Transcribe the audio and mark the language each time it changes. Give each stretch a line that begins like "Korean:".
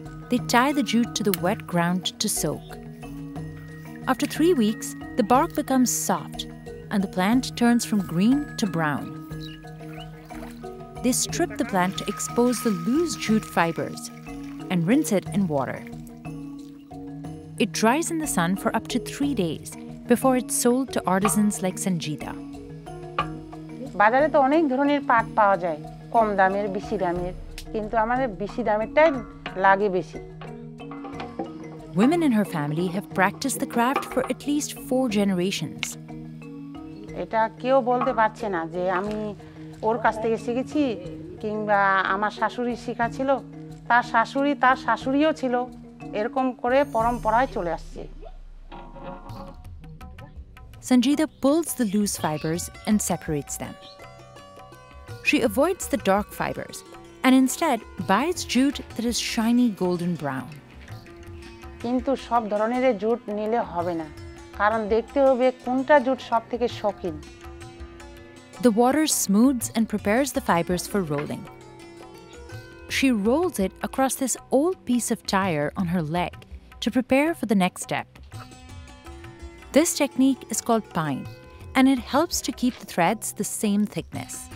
English: They tie the jute to the wet ground to soak. After 3 weeks, the bark becomes soft and the plant turns from green to brown. They strip the plant to expose the loose jute fibers and rinse it in water. It dries in the sun for up to 3 days before it's sold to artisans like Sanjita.
Bangla: বাজারে তো অনেক ধরনের পাট পাওয়া যায় কম দামের বেশি দামের কিন্তু আমাদের বেশি দামেরটাই লাগে বেশি.
English: Women in her family have practiced the craft for at least 4 generations.
Bangla: এটা কেউ বলতে পারছে না যে আমি ওর কাছ থেকে শিখেছি কিংবা আমার শাশুড়ি শিখাছিল তার শাশুড়িও ছিল এরকম করে পরম্পরায় চলে আসছে.
English: Sanjita pulls the loose fibers and separates them. She avoids the dark fibers and instead buys jute that is shiny golden brown.
Bangla: কিন্তু সব ধরনের জুট নিলে হবে না কারণ দেখতে হবে কোনটা জুট সবথেকে সখিন.
English: The water smooths and prepares the fibers for rolling. She rolls it across this old piece of tire on her leg to prepare for the next step. This technique is called pine, and it helps to keep the threads the same thickness.